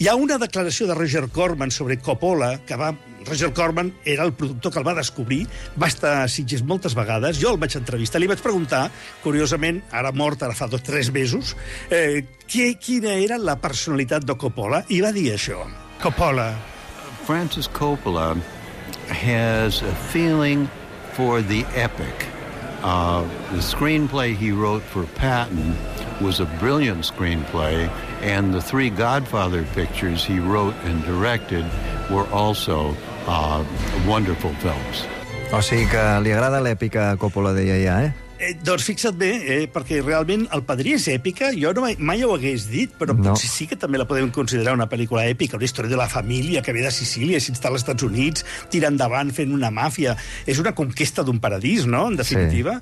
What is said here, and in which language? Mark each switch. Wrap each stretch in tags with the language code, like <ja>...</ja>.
<ca>Hi ha una declaració de Roger Corman sobre Coppola, que va... Roger Corman era el productor que el va descobrir, va estar a Sitges moltes vegades, jo el vaig entrevistar, li vaig preguntar, curiosament, ara mort, ara fa 2 o 3 mesos, quina era la personalitat de Coppola, i va dir això. Coppola.</ca> <en>Francis Coppola has a feeling for the epic. The screenplay he wrote for Patton was a brilliant screenplay, and the 3 Godfather pictures he wrote and directed were also wonderful films.</en> <ca>O sigui que li agrada l'èpica, Coppola deia ja, eh? Doncs fixa't bé, perquè realment El padrí és èpica, jo no mai ho hagués dit, però no. Potser sí que també la podem considerar una pel·lícula èpica, una història de la família que ve de Sicília, s'instal·la als Estats Units, tira endavant fent una màfia. És una conquesta d'un paradís, no?, en definitiva.</ca>